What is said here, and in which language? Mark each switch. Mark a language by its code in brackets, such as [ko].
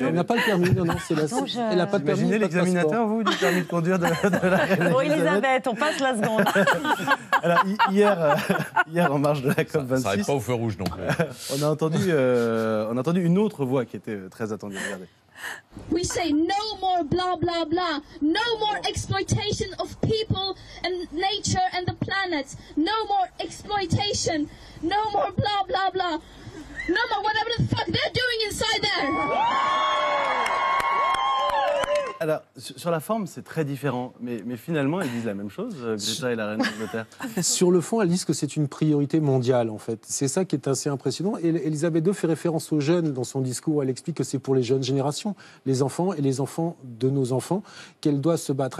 [fr] Elle n'a pas le permis, non, c'est la seule. Elle n'a pas de permis. Imaginez l'examinateur, vous, du permis de conduire de la reine. Bon, Elisabeth, on passe la seconde. Alors, hier, en marge de la COP26. Ça n'arrive pas au feu rouge non plus. On a entendu une autre voix qui était très attendue. Regardez. [en] We say no more blah blah blah, no more exploitation of people and nature and the planet, no more exploitation, no more blah blah blah, no more whatever the fuck they're doing inside there. [fr] Alors, sur la forme, c'est très différent. Mais finalement, ils disent la même chose, Greta et la reine d'Angleterre. Sur le fond, elles disent que c'est une priorité mondiale, en fait. C'est ça qui est assez impressionnant. Et Elisabeth II fait référence aux jeunes dans son discours. Elle explique que c'est pour les jeunes générations, les enfants et les enfants de nos enfants, qu'elle doit se battre.